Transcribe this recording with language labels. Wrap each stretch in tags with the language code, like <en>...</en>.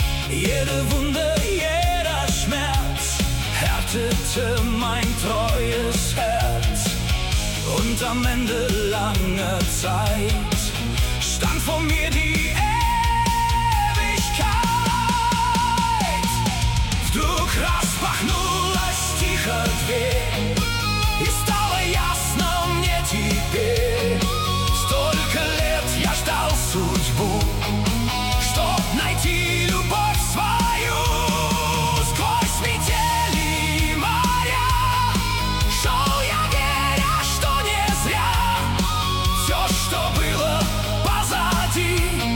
<de>Jede Wunde, jeder Schmerz härtete mein treues Herz. Und am Ende langer Zeit stand vor mir die Ewigkeit. Du krass.</de> <ru>Пахнулась тихо дверь, и стало ясно мне теперь. Столько лет я ждал судьбу, чтоб найти любовь свою. Сквозь метели и моря шел я, веря, что не зря. Все, что было позади,</ru>